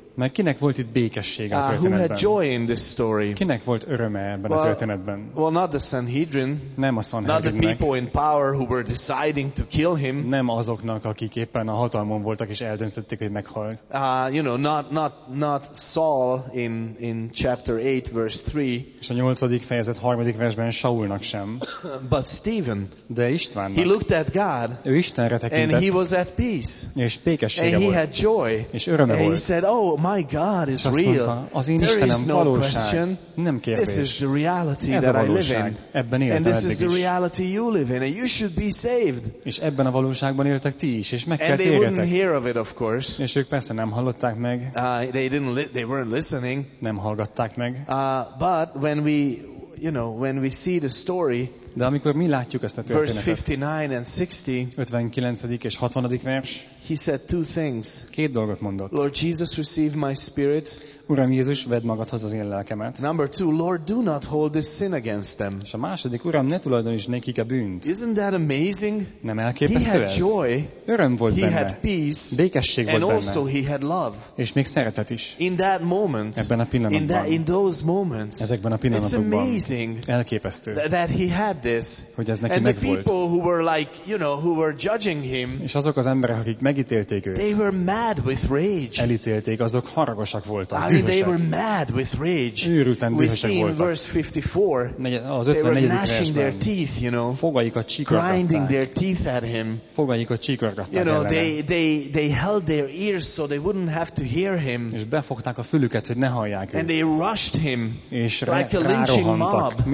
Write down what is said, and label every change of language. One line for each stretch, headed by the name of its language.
Hungarian: Mert kinek volt itt békesség a történetben?
English: Who had joy in this story?
Hungarian: Kinek volt öröme ebben a történetben?
English: Well, not the Sanhedrin.
Hungarian: Nem a Sanhedrinnek.
English: Not the people in power who were deciding to kill him.
Hungarian: Nem azoknak, akik éppen a hatalmon voltak és eldöntötték, hogy meghal.
English: You know, not Saul in chapter 8 verse 3.
Hungarian: És a 8. fejezet 3. versben Saulnak sem.
English: But Stephen.
Hungarian: De Istvánnak.
English: He looked at God.
Hungarian: Ő Istenre tekintett.
English: And he was at peace.
Hungarian: És békessége
English: and
Hungarian: volt.
English: And he had joy.
Hungarian: És öröme volt.
English: He said, "Oh, my God is real. There is no question. This is the reality that I live in. And this is the reality you live in. And you should be saved."
Hungarian: És ebben a valóságban éltek ti is, és meg kell térjetek.
English: And they wouldn't hear of it, of course.
Hungarian: És ők persze nem hallották meg.
English: They weren't listening.
Hungarian: Nem hallgatták meg.
English: But when we, you know, when we see the story,
Hungarian: de amikor mi látjuk ezt a történetet,
English: verse 59 and 60,
Hungarian: 59. és 60. vers,
English: he said two things.
Hungarian: Két dolgot mondott.
English: "Lord Jesus, receive my spirit."
Hungarian: Uram Jézus, vedd magadhoz az én lelkemet.
English: Number two, "Lord, do not hold this sin against them."
Hungarian: És a második, Uram, ne tulajdonítsd nekik a bűnt.
English: Isn't that amazing?
Hungarian: Nem elképesztő ez?
English: He had joy.
Hungarian: Öröm volt benne.
English: He had peace.
Hungarian: Békesség volt benne.
English: And also he had love.
Hungarian: És még szeretet is.
English: In that moment.
Hungarian: Ebben a pillanatban.
English: In those moments.
Hungarian: Ezekben a pillanatokban.
English: It's amazing.
Hungarian: Elképesztő.
English: That he had this.
Hungarian: Hogy ez neki megvolt.
English: the people who were like, you know, who were judging him.
Hungarian: És azok az emberek, akik megítélték őt.
English: They were mad with rage.
Hungarian: Elítélték, azok haragosak voltak.
English: They were mad with rage. We see in verse 54, they were gnashing their teeth, you know, grinding their teeth at him. You know, they held their ears so they wouldn't have to hear him. And they rushed him like a lynching mob.